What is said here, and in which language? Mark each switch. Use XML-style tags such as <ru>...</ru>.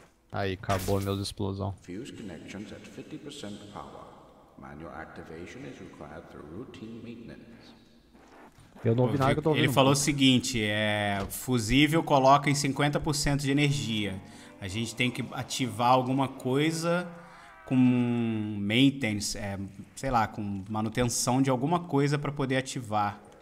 <pt>Aí, acabou meus explosão.</pt> <en>Fuse connections at 50% power. Manual activation is required for routine maintenance.</en> <pt>Eu não ouvi nada que eu tô ouvindo. Ele falou o seguinte, é... Fusível coloca em 50% de energia. A gente tem que ativar alguma coisa com maintenance, sei lá, com manutenção de alguma coisa pra poder ativar.</pt>